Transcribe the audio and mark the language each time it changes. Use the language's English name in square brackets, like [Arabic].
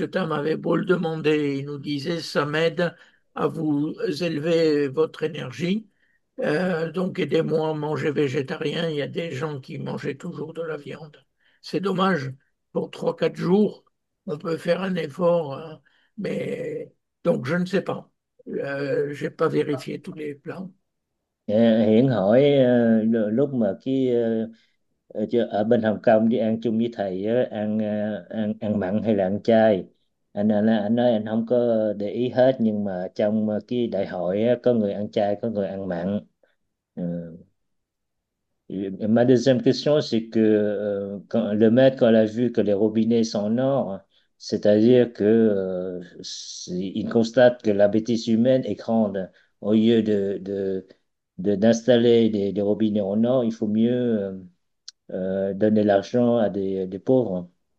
[French] Tam avait beau le demander, il nous disait, ça m'aide à vous élever votre énergie. Donc aidez-moi à manger végétarien, il y a des gens qui mangeaient toujours de la viande. C'est dommage, pour 3-4 jours, on peut faire un effort, hein, mais donc je ne sais pas. J'ai pas vérifié tous les plans. [Vietnamese] Hiện hỏi lúc mà khi ở bên Hồng Kông đi ăn chung với thầy ăn ăn ăn mặn hay là ăn chay, anh nói anh không có để ý hết, nhưng mà trong cái đại hội có người ăn chay có người ăn mặn. [French] Ma deuxième question c'est que quand le maître quand il a vu que les robinets sont en or, c'est-à-dire que il constate que la bêtise humaine est grande, au lieu d'installer des robinets en or, il faut mieux donner l'argent à des pauvres.